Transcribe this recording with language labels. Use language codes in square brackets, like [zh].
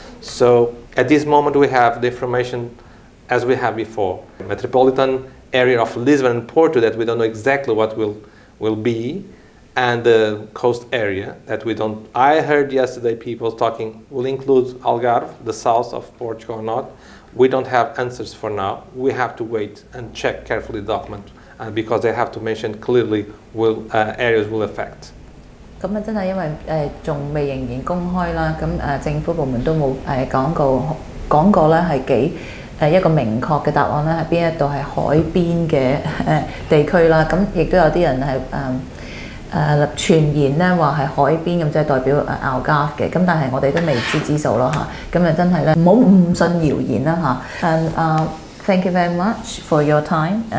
[en] So at this moment, we have the information as we have before, metropolitanarea of Lisbon and Porto that we don't know exactly what will be, and the coast area that we don't... I heard yesterday people talking will include Algarve, the south of Portugal or not. We don't have answers for now. We have to wait and check carefully the document because they have to mention clearly will areas will affect. [yue] 咁啊，真係因為仲未仍然公開啦，咁政府部門都冇講過咧，係幾一個明確的答案咧，係邊一度係海邊的地區啦。咁亦都有啲人係傳言咧話係海邊咁，即係代表Algarve嘅。咁但係我哋都未知之數咯嚇。咁啊，真係咧，唔好誤信謠言啦嚇。 [en] And thank you very much for your time,